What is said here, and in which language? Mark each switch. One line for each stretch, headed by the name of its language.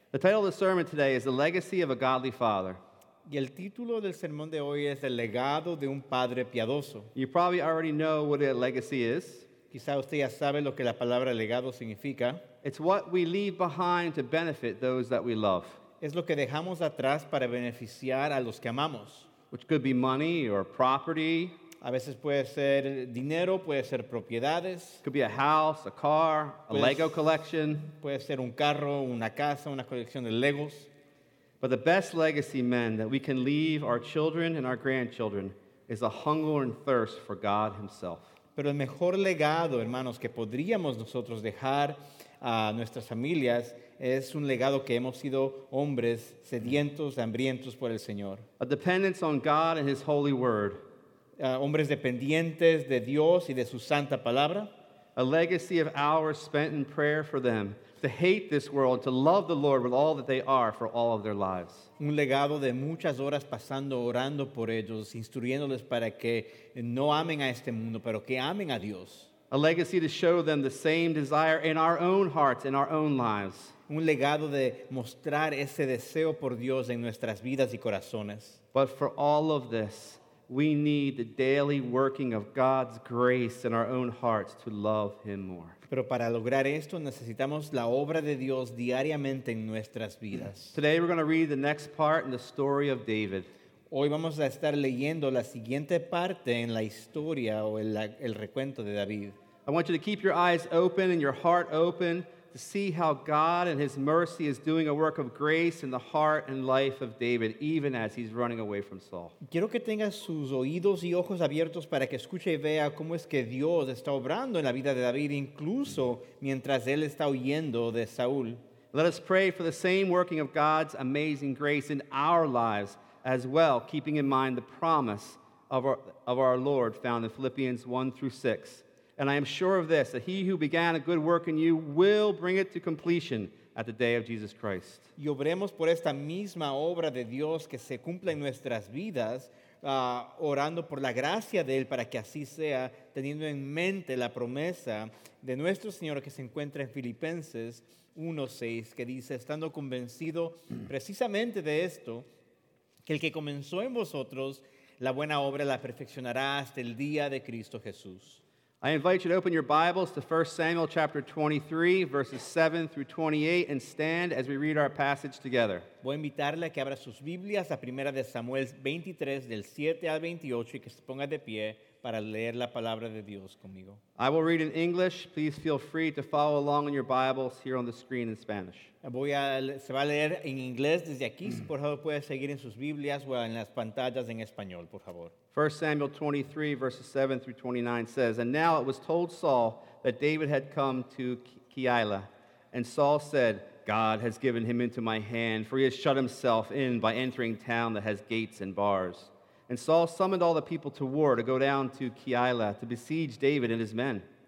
English: The title of the sermon today is The Legacy of a Godly Father.
Spanish: Y el título del sermón de hoy es El Legado de un Padre Piadoso.
English: You probably already know what a legacy is.
Spanish: Quizá usted ya sabe lo que la palabra legado significa.
English: It's what we leave behind to benefit those that we love.
Spanish: Es lo que dejamos atrás para beneficiar a los que amamos.
English: Which could be money or property.
Spanish: A veces puede ser dinero, puede ser propiedades.
English: Could be a house, a car, a Lego collection.
Spanish: Puede ser un carro, una casa, una colección de Legos.
English: But the best legacy, men, that we can leave our children and our grandchildren is a hunger and thirst for God himself.
Spanish: Pero el mejor legado, hermanos, que podríamos nosotros dejar a nuestras familias es un legado que hemos sido hombres sedientos, hambrientos por el Señor.
English: A dependence on God and his holy word.
Spanish: Hombres dependientes de Dios y de su santa palabra.
English: A legacy of hours spent in prayer for them, to hate this world, to love the Lord with all that they are for all of their lives.
Spanish: Un legado de muchas horas pasando orando por ellos, instruyéndoles para que no amen a este mundo, pero que amen a Dios.
English: A legacy to show them the same desire in our own hearts, in our own lives.
Spanish: Un legado de mostrar ese deseo por Dios en nuestras vidas y corazones.
English: But for all of this, we need the daily working of God's grace in our own hearts to love him more.
Spanish: Pero para lograr esto, necesitamos la obra de Dios diariamente en nuestras vidas.
English: Today we're going to read the next part in the story of David.
Spanish: Hoy vamos a estar leyendo la siguiente parte en la historia o el recuento de David.
English: I want you to keep your eyes open and your heart open to see how God and his mercy is doing a work of grace in the heart and life of David, even as he's running away from Saul.
Spanish: Quiero que tengas sus oídos y ojos abiertos para que escuche y vea cómo es que Dios está obrando en la vida de David, incluso mientras él está huyendo de Saúl.
English: Let us pray for the same working of God's amazing grace in our lives, as well, keeping in mind the promise of our Lord found in Philippians 1-6. And I am sure of this, that he who began a good work in you will bring it to completion at the day of Jesus Christ.
Spanish: Y obremos por esta misma obra de Dios que se cumpla en nuestras vidas, orando por la gracia de él para que así sea, teniendo en mente la promesa de nuestro Señor que se encuentra en Filipenses 1:6, que dice, estando convencido precisamente de esto, que el que comenzó en vosotros la buena obra la perfeccionará hasta el día de Cristo Jesús.
English: I invite you to open your Bibles to 1 Samuel chapter 23, verses 7 through 28, and stand as we read our passage together.
Spanish: Voy a invitarle a que abra sus Biblias a 1 de Samuel 23, del 7 al 28, y que se ponga de pie para leer la palabra de Dios conmigo.
English: I will read in English. Please feel free to follow along in your Bibles here on the screen in Spanish.
Spanish: Se va a leer en inglés desde aquí. Por favor, puede seguir en sus Biblias o en las pantallas en español, por favor.
English: 1 Samuel 23, verses 7 through 29 says, And now it was told Saul that David had come to Keilah. And Saul said, God has given him into my hand, for he has shut himself in by entering town that has gates and bars. And Saul summoned all the people to war to go down to Keilah to besiege David and his men.